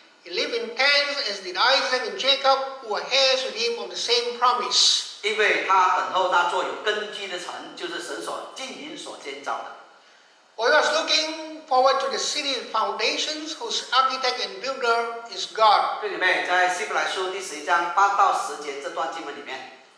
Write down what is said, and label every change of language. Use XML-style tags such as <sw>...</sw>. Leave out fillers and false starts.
<en>He lived in tents as did Isaac and Jacob, who were heirs with him of the same promise.</en> <zh>因为他等候那座有根基的城，就是神所经营所建造的。</zh> <en>For he was looking forward to the city of foundations, whose architect and builder is God.</en> <zh>弟兄们，在希伯来书第十一章八到十节这段经文里面。</zh>